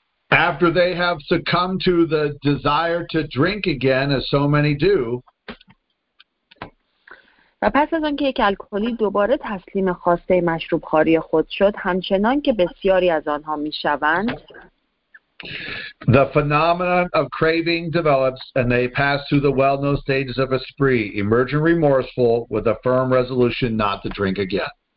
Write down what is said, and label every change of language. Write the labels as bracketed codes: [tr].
[en] After they have succumbed to the desire to drink again, as so many do. [fa] و پس از آنکه یک الکلی دوباره تسلیم خواسته مشروب خواری خود شد، همچنان که بسیاری از آنها می‌شوند، [en] the phenomenon of craving develops and they pass through the well-known stages of a spree, emerging remorseful with a firm resolution not to drink again.